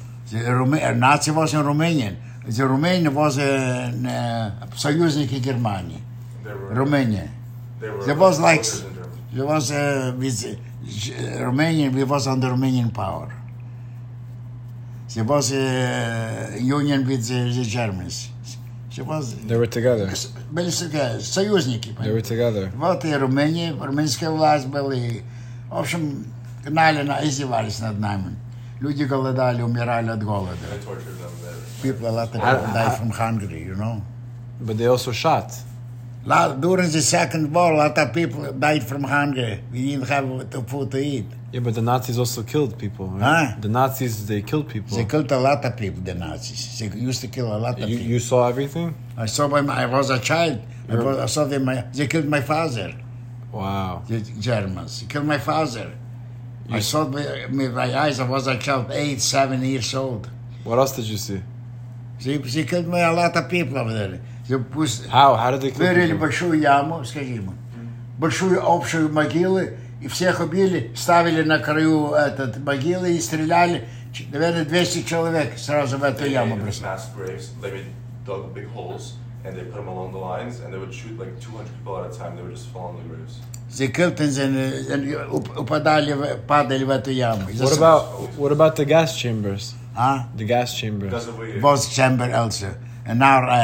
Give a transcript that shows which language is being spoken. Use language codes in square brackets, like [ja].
[en] The Nazi was in Romanian. The Romanian was in [ru] союзник [en] in Germany. There was with Romanian, we was under Romanian power. There was a union with the Germans. They were together. [ru] Союзники. [en] They were together. [ru] Вот и Румыния, румынская власть была. И, в общем, гнали, издевались над нами. Люди голодали, умирали от голода. [en] People, a lot of people died from hungry, you know. But they also shot. During the Second War, a lot of people died from hunger. We didn't have the food to eat. Yeah, but the Nazis also killed people. Right? Huh? The Nazis, they killed people. They killed a lot of people, the Nazis. They used to kill a lot of people. You saw everything? I saw when I was a child. They killed my father. Wow. The Germans. They killed my father. I saw with my eyes, I was a child, 8, 7 years old. What else did you see? They killed a lot of people over there. How did they kill [ru] Вырыли большую яму, скажи ему. Большую общую могилу. И всех убили, ставили на краю этот могилы и стреляли. Наверное, 200 человек сразу в эту [en] they [ru] яму бросили. [en] Mass graves, they made dug big holes, and they put them along the lines, and they would shoot like 200 people at a time. They would just fall on the graves. They killed and then [ru] падали в эту яму. [en] What about the gas chambers? Huh? The gas chambers. Both chamber also. And now